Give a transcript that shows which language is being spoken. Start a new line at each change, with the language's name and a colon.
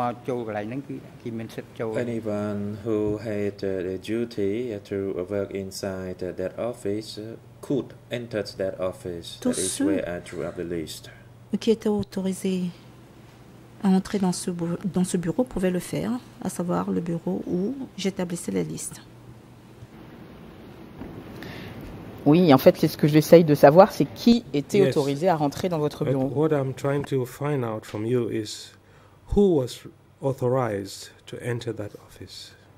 English: Anyone who had the duty to work inside that office could enter that office.
French: Tous
English: that is where I drew up the list.
French: Qui étaient autorisés à entrer dans ce bureau pouvaient le faire, à savoir le bureau où j'établissais la liste. Oui, en fait, c'est ce que j'essaye de savoir, c'est qui était autorisé à rentrer dans votre bureau.
English: What I'm trying to find out from you is who was authorized to enter that office.